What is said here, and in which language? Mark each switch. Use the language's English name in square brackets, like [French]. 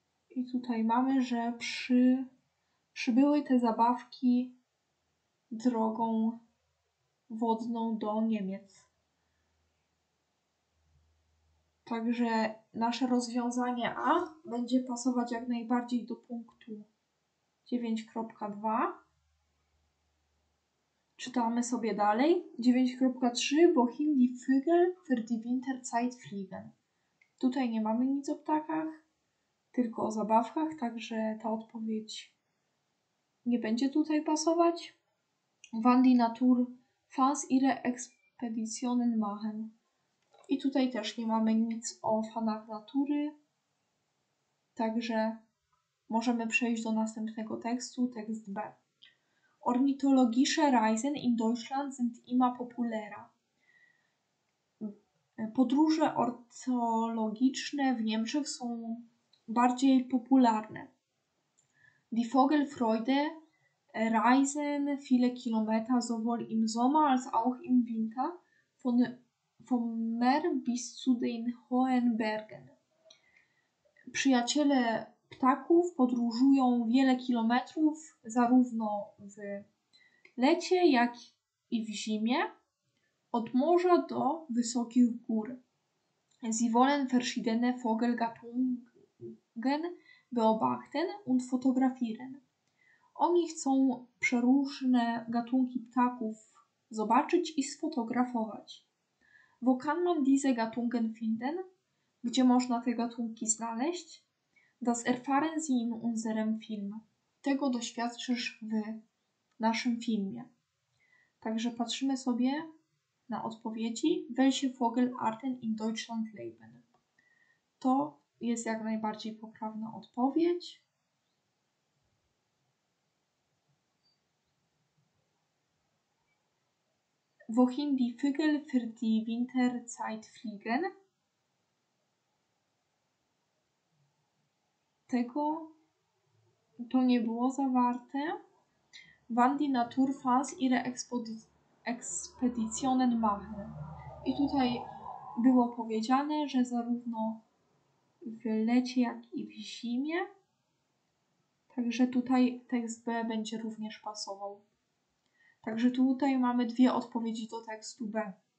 [Polish] I tutaj mamy, że przybyły te zabawki drogą wodną do Niemiec. Także nasze rozwiązanie A będzie pasować jak najbardziej do punktu 9.2. Czytamy sobie dalej. 9.3. [German] Wohin die Vögel für die Winterzeit fliegen. [Polish] Tutaj nie mamy nic o ptakach, tylko o zabawkach, także ta odpowiedź nie będzie tutaj pasować. [German] Wann die Natur fans ihre Expeditionen machen. [Polish] I tutaj też nie mamy nic o fanach natury, także możemy przejść do następnego tekstu, tekst B. [German] Ornitologische Reisen in Deutschland sind immer populärer. [Polish] Podróże ornitologiczne w Niemczech są bardziej popularne. [German] Die Vogelfreude reisen viele Kilometer sowohl im Sommer als auch im Winter vom Meer bis zu den hohen Bergen. [Polish] Przyjaciele ptaków podróżują wiele kilometrów zarówno w lecie, jak i w zimie, od morza do wysokich gór. [German] Sie wollen verschiedene Vogelgattungen beobachten und fotografieren. [Polish] Oni chcą przeróżne gatunki ptaków zobaczyć i sfotografować. [German] Wo kann man diese Gattungen finden? [Polish] Gdzie można te gatunki znaleźć? [German] Das erfahren Sie in unserem Film. [Polish] Tego doświadczysz w naszym filmie. Także patrzymy sobie na odpowiedzi. [German] Welche Vogelarten in Deutschland leben? [Polish] To jest jak najbardziej poprawna odpowiedź. [German] Wohin die Vögel für die Winterzeit fliegen? [Polish] Tego to nie było zawarte. [German] Wann die Natur fans ihre Expeditionen machen? [Polish] I tutaj było powiedziane, że zarówno w lecie, jak i w zimie. Także tutaj tekst B będzie również pasował. Także tutaj mamy dwie odpowiedzi do tekstu B.